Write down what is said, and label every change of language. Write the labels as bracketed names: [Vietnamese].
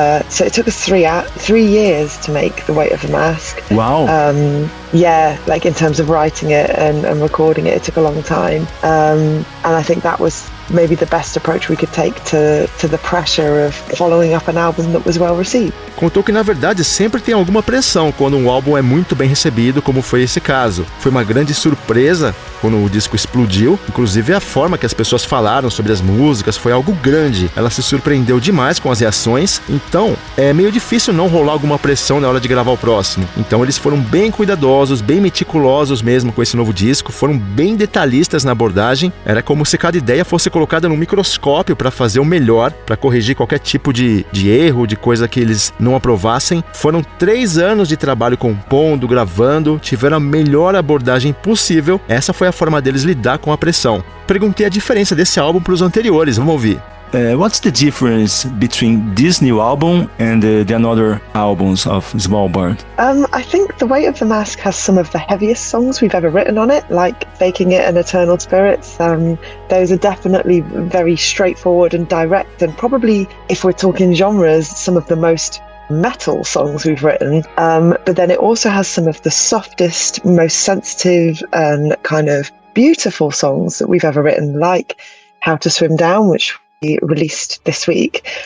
[English] So it took us three years to make The Weight of the Mask. Wow. Yeah, like in terms of writing it and recording it, it took a long time. And I think that was maybe the best approach we could take to the pressure of following up an album that was well received. [Portuguese] Contou que, na verdade, sempre tem alguma pressão quando um álbum é muito bem recebido, como foi esse caso. Foi uma grande surpresa quando o disco explodiu. Inclusive, a forma que as pessoas falaram sobre as músicas foi algo grande. Ela se surpreendeu demais com as reações. Então, é meio difícil não rolar alguma pressão na hora de gravar o próximo. Então, eles foram bem cuidadosos, bem meticulosos mesmo com esse novo disco. Foram bem detalhistas na abordagem. Era como se cada ideia fosse colocada num microscópio para fazer o melhor, para corrigir qualquer tipo de erro, de coisa que eles não aprovassem. Foram 3 anos de trabalho compondo, gravando, tiveram a melhor abordagem possível. Essa foi a forma deles lidar com a pressão. Perguntei a diferença desse álbum para os anteriores, vamos ouvir. [English] What's the difference between this new album and the other albums of Svalbard? I think The Weight of the Mask has some of the heaviest songs we've ever written on it, like Faking It and Eternal Spirits. Those are definitely very straightforward and direct, and probably, if we're talking genres, some of the most metal songs we've written, but then it also has some of the softest, most sensitive and kind of beautiful songs that we've ever written, like How to Swim Down, which we released this week.